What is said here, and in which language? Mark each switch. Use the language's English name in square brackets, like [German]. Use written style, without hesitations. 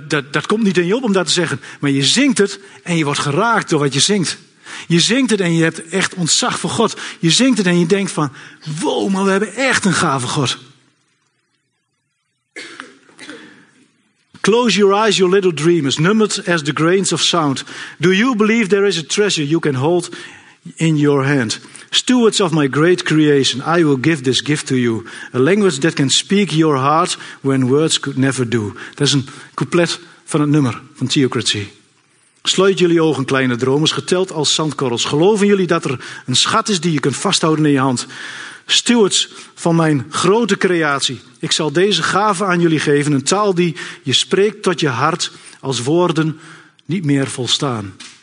[Dutch] Dat komt niet in je op om dat te zeggen. Maar je zingt het en je wordt geraakt door wat je zingt. Je zingt het en je hebt echt ontzag voor God. Je zingt het en je denkt van, wow, maar we hebben echt een gave God. [English] Close your eyes, your little dreamers, numbered as the grains of sand. Do you believe there is a treasure you can hold in your hand? Stewards of my great creation, I will give this gift to you. A language that can speak your heart when words could never do. [Dutch] Dat is een couplet van het nummer van Theocracy. Sluit jullie ogen, kleine dromers, geteld als zandkorrels. Geloven jullie dat er een schat is die je kunt vasthouden in je hand? Stewards van mijn grote creatie, ik zal deze gave aan jullie geven. Een taal die je spreekt tot je hart als woorden niet meer volstaan.